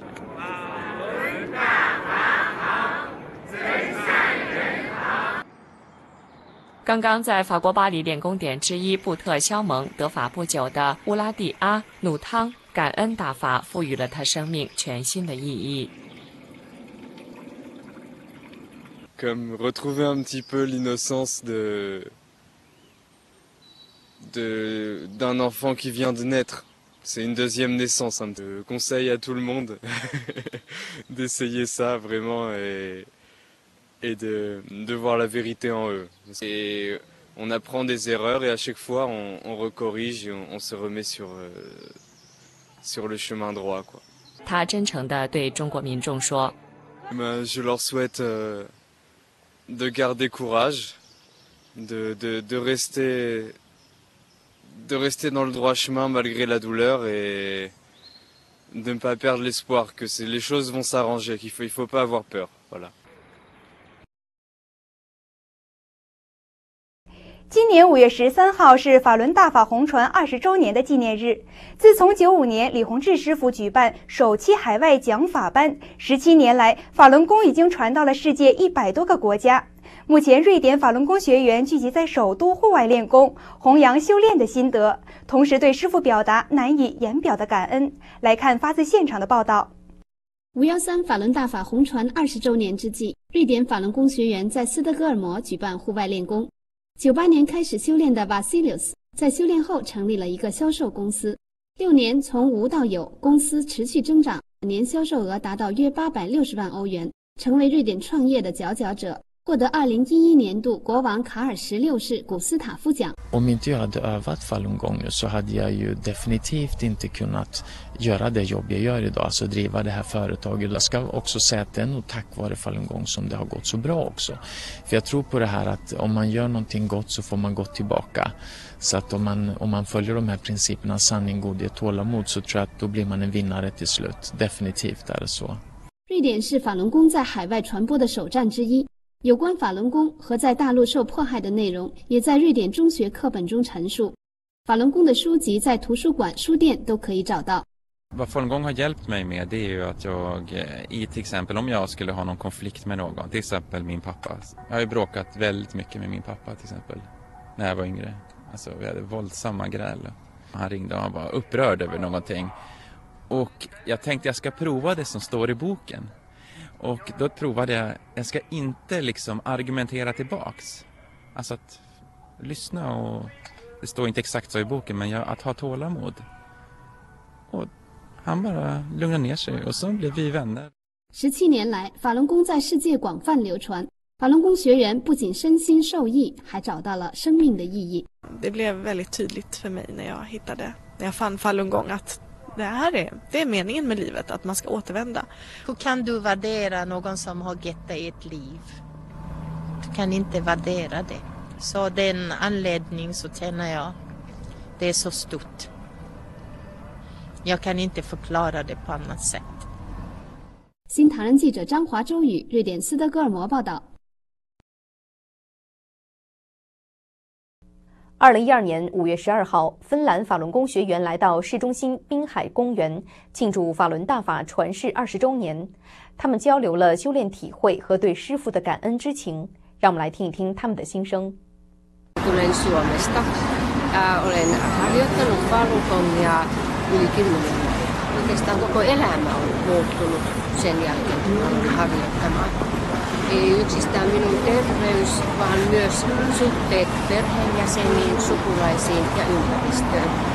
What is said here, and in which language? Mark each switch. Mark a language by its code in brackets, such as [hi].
[zh] 法轮大法好，真善人好。刚刚在法国巴黎练功点之一布特肖蒙得法不久的乌拉蒂阿努汤感恩大法赋予了他生命全新的意义。 [fr] Comme retrouver un petit peu l'innocence d'un enfant qui vient de naître. C'est une deuxième naissance. Je conseille à tout le monde d'essayer ça vraiment et de voir la vérité en eux. Et on apprend des erreurs et à chaque fois on recorrige et on se remet sur le chemin droit, quoi. [zh] 他真诚地对中国民众说 [fr] Je leur souhaite de garder courage, de rester dans le droit chemin malgré la douleur et de ne pas perdre l'espoir que les choses vont s'arranger, qu'il faut pas avoir peur. Voilà. [zh] 今年5月13号是法轮大法弘传20周年的纪念日。自从95年李洪志师父举办首期海外讲法班 ,17 年来法轮功已经传到了世界100多个国家。目前瑞典法轮功学员聚集在首都户外练功，弘扬修炼的心得，同时对师父表达难以言表的感恩。来看发自现场的报道。 513法轮大法弘传20周年之际，瑞典法轮功学员在斯德哥尔摩举办户外练功。 98年开始修炼的 Vasilius 在修炼后成立了一个销售公司，6年从无到有，公司持续增长，年销售额达到约860万欧元，成为瑞典创业的佼佼者，获得2011年度国王卡尔十六世古斯塔夫奖。 [sv] Om inte jag hade övat Falun Gong så hade jag ju definitivt inte kunnat göra det jobb jag gör idag, alltså driva det här företaget. Jag ska också säga att det är nog tack vare Falun Gong som det har gått så bra också. För jag tror på det här att om man gör någonting gott så får man gott tillbaka. Så att om man följer de här principerna, sanning, godhet, tålamod, så tror jag att då blir man en vinnare till slut. Definitivt är det så. [zh] 瑞典是法轮功在海外传播的首站之一。有关法轮功和在大陆受迫害的内容也在瑞典中学课本中阐述，法轮功的书籍在图书馆、书店都可以找到。 [sv] Vad Falun Gong har hjälpt mig med, det är ju att jag, i till exempel om jag skulle ha någon konflikt med någon, till exempel min pappa. Jag har ju bråkat väldigt mycket med min pappa till exempel när jag var yngre. Alltså vi hade våldsamma gräl. Han ringde och han var upprörd över någonting. Och jag tänkte jag ska prova det som står i boken. Och då provade jag ska inte liksom argumentera tillbaks. Alltså att lyssna och det står inte exakt så i boken, men att ha tålamod. Och han bara lugnade ner sig och så blev vi vänner. [zh] 17 年来法轮功在世界广泛流传。法轮功学员不仅身心受益，还找到了生命的意义。 [sv] Det blev väldigt tydligt för mig när jag fann Falun Gong att... Det är meningen med livet, att man ska återvända. Hur kan du värdera någon som har gett dig ett liv? Du kan inte värdera det. Så den anledningen så känner jag det är så stort. Jag kan inte förklara det på annat sätt. [zh] 新唐人记者张华周宇, 瑞典斯德哥尔摩报道。 2012年 5月 12号, 芬兰法轮功学员来到市中心滨海公园庆祝法轮大法传世 20周年。他们交流了修炼体会和对师父的感恩之情。让我们来听一听他们的心声。 [fi] Tulen Suomesta. Olen harjoittanut Falun Gongia yli 10 vuotta. Oikeastaan koko elämä on muuttunut sen jälkeen, kun olen harjoittamaan. Ei yksistään minun terveys, vaan myös suhteet perheenjäseniin, sukulaisiin ja ympäristöön.